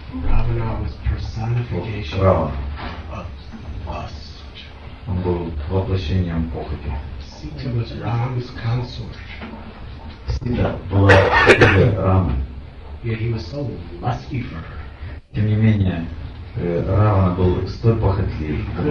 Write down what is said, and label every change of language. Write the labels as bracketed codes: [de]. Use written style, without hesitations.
[en] Ravana was personification Ravana. Of lust. [ru] Он был воплощением похоти. [en] Sita was Rama's consort. [ru] Sita была Рама. [en] Yet he was so lusty for her. [ru] Тем не менее, Равана был столь похотлив,